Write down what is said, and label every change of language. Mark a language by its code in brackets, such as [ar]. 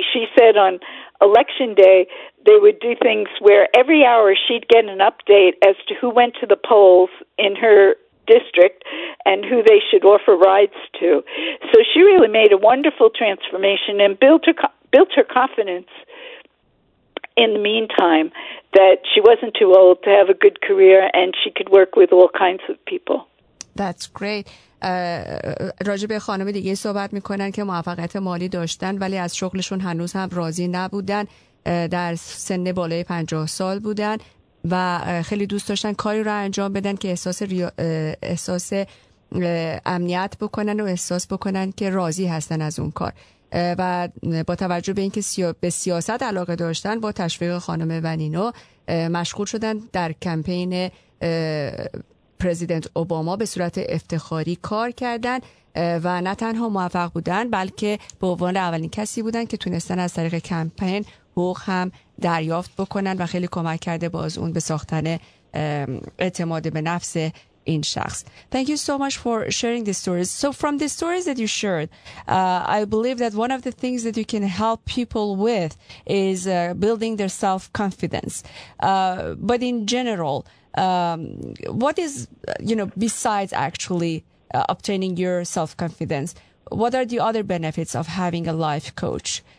[en] She said on election day, they would do things where every hour she'd get an update as to who went to the polls in her district and who they should offer rides to. So she really made a wonderful transformation and built her confidence in the meantime, that she wasn't too old to have a good career and she could work with all kinds of people. That's great. [fa] راجب خانم دیگه صحبت میکنن که موفقیت مالی داشتن ولی از شغلشون هنوز هم راضی نبودن، در سن بالای 50 سال بودن و خیلی دوست داشتن کاری رو انجام بدن که احساس امنیت بکنن و احساس بکنن که راضی هستن از اون کار. و با توجه به اینکه به سیاست علاقه داشتن، با تشویق خانم ونینو مشغول شدن در کمپین پرزیدنت اوباما، به صورت افتخاری کار کردن و نه تنها موفق بودن بلکه به عنوان اولین کسی بودن که تونستن از طریق کمپین حقوق هم دریافت بکنن و خیلی کمک کرده باز اون به ساختن اعتماد به نفس این شخص. [en] Thank you so much for sharing the stories. So from the stories that you shared, I believe that one of the things that you can help people with is building their self-confidence. But in general, what is, you know, besides actually obtaining your self-confidence, what are the other benefits of having a life coach?